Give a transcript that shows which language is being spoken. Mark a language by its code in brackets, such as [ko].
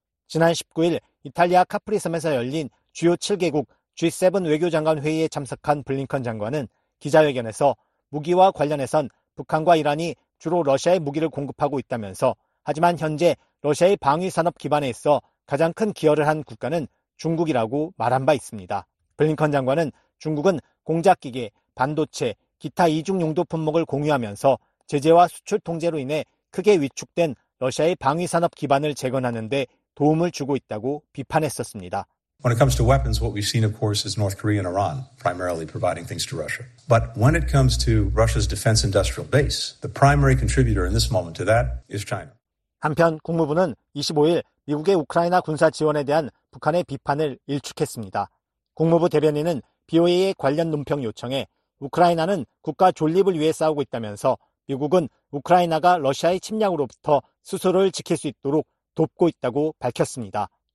[ko] 지난 19일 이탈리아 카프리섬에서 열린 주요 7개국 G7 외교장관 회의에 참석한 블링컨 장관은 기자회견에서 무기와 관련해선 북한과 이란이 주로 러시아의 무기를 공급하고 있다면서 하지만 현재 러시아의 방위산업 기반에 있어 가장 큰 기여를 한 국가는 중국이라고 말한 바 있습니다. 블링컨 장관은 중국은 공작기계, 반도체, 기타 이중용도 품목을 공유하면서 제재와 수출 통제로 인해 크게 위축된 러시아의 방위산업 기반을 재건하는 데 도움을 주고 있다고 비판했었습니다. [en] When it comes to weapons, what we've seen, of course, is North Korea and Iran primarily providing things to Russia. But when it comes to Russia's defense industrial base, the primary contributor in this moment to that is China. [ko] 한편 국무부는 25일 미국의 우크라이나 군사 지원에 대한 북한의 비판을 일축했습니다. 국무부 대변인은 BOA의 관련 논평 요청에 우크라이나는 국가 존립을 위해 싸우고 있다면서 미국은 우크라이나가 러시아의 침략으로부터 스스로를 지킬 수 있도록 돕고 있다고 밝혔습니다.